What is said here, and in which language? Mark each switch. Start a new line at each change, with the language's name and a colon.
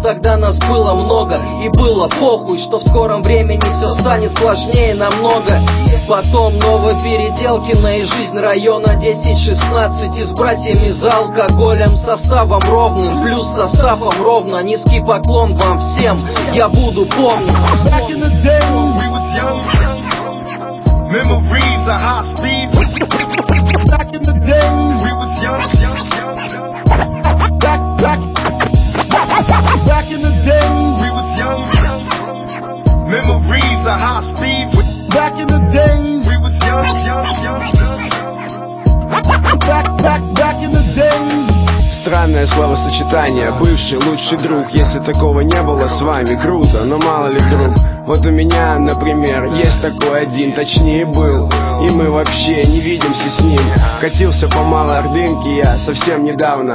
Russian: Тогда нас было много и было похуй, что в скором времени все станет сложнее намного. Потом новые Переделкино и жизнь района 10-16 и с братьями за алкоголем. Составом ровным, плюс составом ровно. Низкий поклон вам всем, я буду помнить.
English: Back in the day, when we was young, memories are high speed. Back in the day, we was young, back in the day, we was young, memories are high speed. Back in the day, we was young, back in the day.
Russian: Странное словосочетание, бывший лучший друг. Если такого не было с вами, круто, но мало ли друг. Вот у меня, например, есть такой один, точнее был. И мы вообще не видимся с ним. Катился по малой ордынке я совсем недавно.